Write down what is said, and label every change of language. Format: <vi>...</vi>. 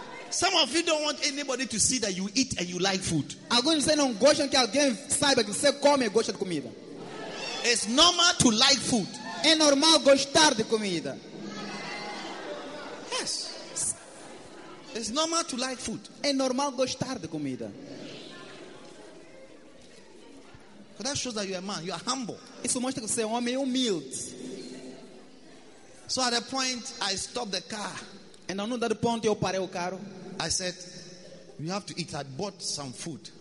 <en>Some of you don't want anybody to see that you eat and you like food.</en> <pt>Alguns dizem não gostam que alguém saiba que você come e gosta de comida.</pt> <en>It's normal to like food.</en> <pt>É normal gostar de comida.</pt> <en>Yes. It's normal to like food.</en> <pt>É normal gostar de comida.</pt> <en>But that shows that you are a man. You are humble.</en> <pt>Isso mostra que você é um homem humilde.</pt> <en>So at a point, I stopped the car.</en> <pt>E não dado ponto eu parei o carro.</pt> <en>I said, you have to eat. I bought some food.</en>